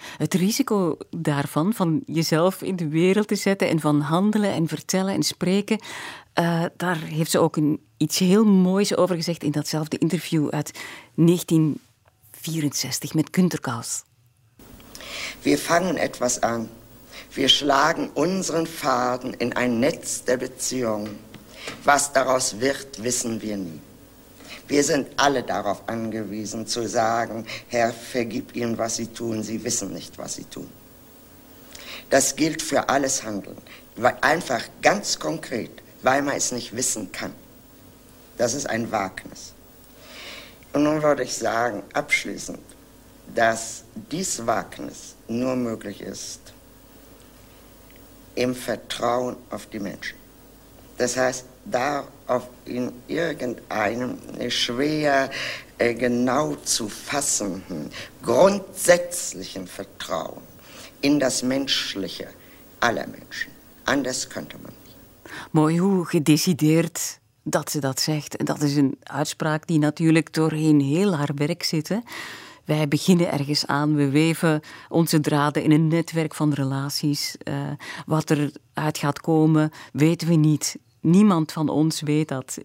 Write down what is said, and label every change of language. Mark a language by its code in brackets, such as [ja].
[nl] Het risico daarvan, van jezelf in de wereld te zetten en van handelen en vertellen en spreken, daar heeft ze ook iets heel moois over gezegd in datzelfde interview uit 1964 met Günter Kaus. [de] We vangen etwas aan. We schlagen unseren Faden in ein Netz der Beziehung. Was daraus wird, wissen wir nie. Wir sind alle darauf angewiesen, zu sagen, Herr, vergib ihnen, was sie tun, sie wissen nicht, was sie tun. Das gilt für alles Handeln, weil einfach ganz konkret, weil man es nicht wissen kann. Das ist ein Wagnis. Und nun würde ich sagen, abschließend, dass dies Wagnis nur möglich ist im Vertrauen auf die Menschen. Das heißt, da auf in irgendeinem schwer genau zu fassenden, grundsätzlichen Vertrauen in das Menschliche aller Menschen. Anders könnte man nicht. [nl] Mooi hoe gedecideerd dat ze dat zegt. En dat is een uitspraak die natuurlijk doorheen heel haar werk zit. Hè? Wij beginnen ergens aan, we weven onze draden in een netwerk van relaties. Wat er uit gaat komen, weten we niet. Niemand van ons weet dat.